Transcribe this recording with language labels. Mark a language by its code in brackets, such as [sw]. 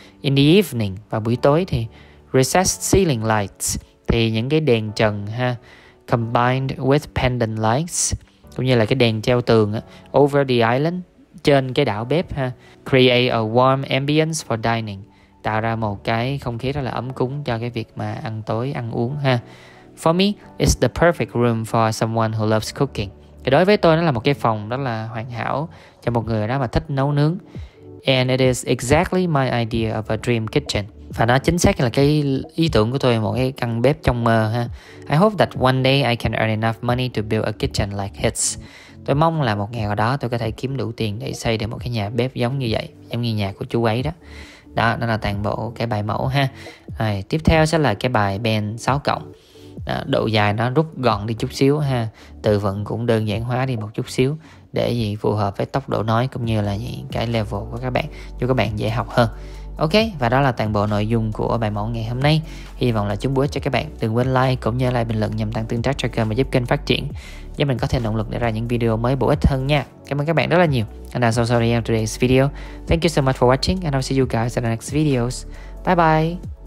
[en] In the evening, [vi] vào buổi tối thì [en] recessed ceiling lights, [vi] thì những cái đèn trần ha, [en] combined with pendant lights, [vi] cũng như là cái đèn treo tường [en] over the island, [vi] trên cái đảo bếp ha, [en] create a warm ambience for dining, [vi] tạo ra một cái không khí rất là ấm cúng cho cái việc mà ăn tối, ăn uống ha. [en] For me, it's the perfect room for someone who loves cooking. [vi] Thì đối với tôi nó là một cái phòng rất là hoàn hảo cho một người đó mà thích nấu nướng. [en] And it is exactly my idea of a dream kitchen. [vi] Và nó chính xác là cái ý tưởng của tôi, một cái căn bếp trong mơ ha. [en] I hope that one day I can earn enough money to build a kitchen like his. [vi] Tôi mong là một ngày nào đó tôi có thể kiếm đủ tiền để xây được một cái nhà bếp giống như vậy, giống như nhà của chú ấy đó. Đó, đó là toàn bộ cái bài mẫu ha. Rồi, tiếp theo sẽ là cái bài Ben 6 cộng. Độ dài nó rút gọn đi chút xíu ha. Từ vựng cũng đơn giản hóa đi một chút xíu. để gì phù hợp với tốc độ nói cũng như là những cái level của các bạn, giúp các bạn dễ học hơn. Ok, và đó là toàn bộ nội dung của bài mẫu ngày hôm nay. Hy vọng là chúng bổ ích cho các bạn. Đừng quên like cũng như like bình luận nhằm tăng tương tác cho kênh và giúp kênh phát triển, giúp mình có thêm động lực để ra những video mới bổ ích hơn nha. Cảm ơn các bạn rất là nhiều. [en] And that's also the end of today's video. Thank you so much for watching and I'll see you guys in the next videos. Bye bye.